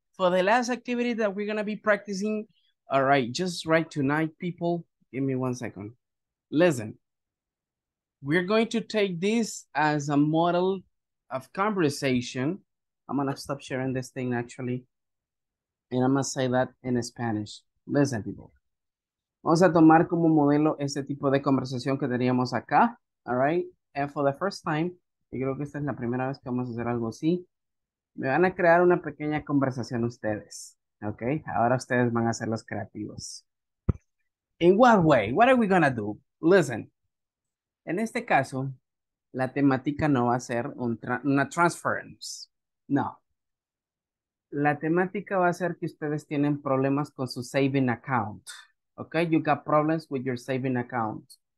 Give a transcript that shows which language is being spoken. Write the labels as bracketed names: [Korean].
[English] For the last activity that we're going to be practicing, all right, just right tonight, people, give me one second. Listen, we're going to take this as a model of conversation. I'm going to stop sharing this thing, actually. And I'm going to say that in Spanish. Listen, people. [Spanish] Vamos a tomar como modelo este tipo de conversación que teníamos acá. All right. [English] And for the first time, [Spanish] y creo que esta es la primera vez que vamos a hacer algo así, me van a crear una pequeña conversación ustedes. Ok, ahora ustedes van a ser los creativos. [English] In what way? What are we going to do? Listen, [Spanish] en este caso, La temática no va a ser una transference. No. La temática va a ser que ustedes tienen problemas con su saving account. [English] Ok, you got problems with your saving account.